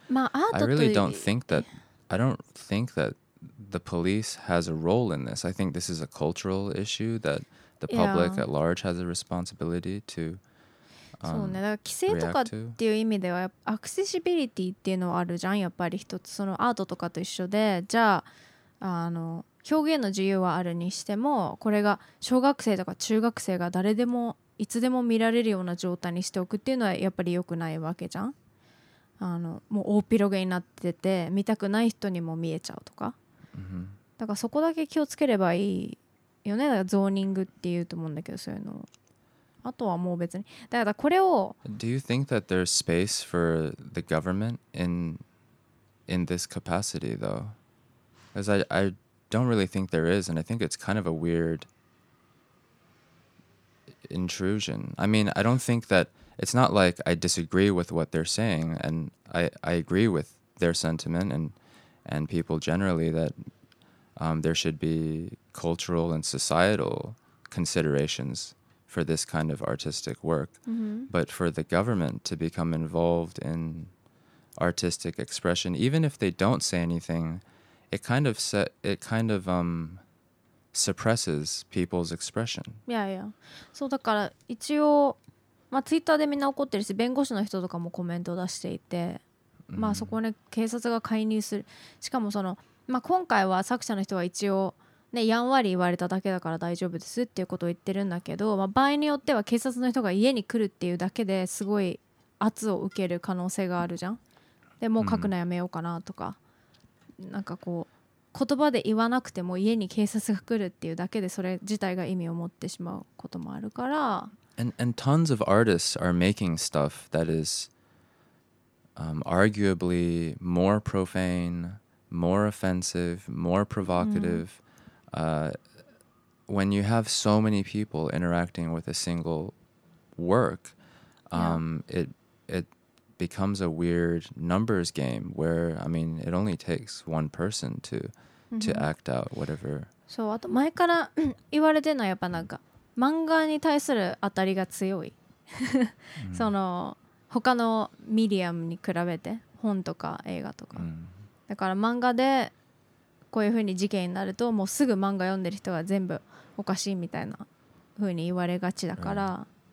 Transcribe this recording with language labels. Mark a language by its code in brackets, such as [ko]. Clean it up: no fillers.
[ja] まあ、アートという [en] I really don't think that I don't think that the police has a role in this. I think this is a cultural issue that the public at large has a responsibility to [ja] そうね、だから規制とかっていう意味ではアクセシビリティっていうのはあるじゃん、やっぱり一つそのアートとかと一緒で、じゃ あの表現の自由はあるにしても、これが小学生とか中学生が誰でもいつでも見られるような状態にしておくっていうのはやっぱり良くないわけじゃん。あのもう大広げになってて見たくない人にも見えちゃうとか、だからそこだけ気をつければいいよね。だからゾーニングっていうと思うんだけど、そういうのあとはもう別に、だからこれを [en] Do you think that there's space for the government in this capacity though? Because I don't really think there is, and I think it's kind of a weird intrusion. I mean, I don't think that it's not like I disagree with what they're saying, and I agree with their sentiment and people generally that there should be cultural and societal considerations for this kind of artistic work, but for the government to become involved in artistic expression, even if they don't say anything, it kind of suppresses people's expression. Yeah, yeah. [ja] So, だから一応、まあ、Twitter でみんな怒ってるし、弁護士の人とかもコメント出していて、まあそこに警察が介入する。しかもその、まあ今回は作者の人は一応。ね、やんわり言われただけだから大丈夫ですっていうことを言ってるんだけど、まあ、場合によっては警察の人が家に来るっていうだけですごい圧を受ける可能性があるじゃん。でもう書くのやめようかなとか、なんかこう言葉で言わなくても家に警察が来るっていうだけでそれ自体が意味を持ってしまうこともあるから、 [en] and tons of artists are making stuff that is arguably more profane, more offensive, more provocative、mm. When you have so many people interacting with a single work, it becomes a weird numbers game where, I mean, it only takes one person to act out whatever. [ja] そう、あと前から言われてるのはやっぱなんか漫画に対する当たりが強い。その他のメディアムに比べて本とか映画とか。だから漫画でこういう風に事件になるともうすぐ漫画読んでる人は全部おかしいみたいな風に言われがちだから、